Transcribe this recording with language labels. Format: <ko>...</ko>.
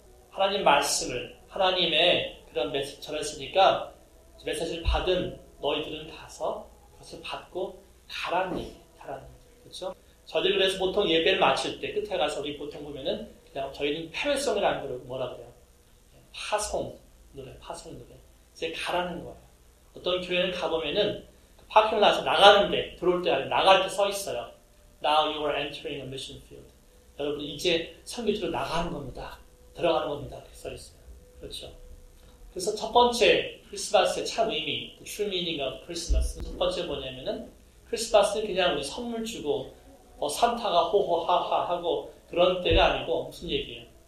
<ko>하나님 말씀을 하나님의 그런 메시지 전했으니까 메시지를 받은 너희들은 가서 그것을 받고 가라는 얘기, 가라는 얘기, 그렇죠? 저희들 그래서 보통 예배를 마칠 때 끝에 가서 우리 보통 보면은 그냥 저희는 패배송이라는 걸 뭐라 그래요? 파송 노래, 파송 노래. 이제 가라는 거예요. 어떤 교회는 가보면은 파킹라서 나가는데 들어올 때 아니 나갈 때 서 있어요.</ko> <en>Now you are entering a mission field.</en> <ko>여러분 이제 선교지로 나가는 겁니다. 들어가는 겁니다. 이렇게 써 있어요. 그렇죠. 그래서 첫 번째 크리스마스의 참 의미,</ko> <en>the true meaning of Christmas.</en> <ko>첫 번째 뭐냐면은 크리스마스는 그냥 우리 선물 주고 뭐 산타가 호호하하 하고 그런 때가 아니고 무슨 얘기예요?</ko>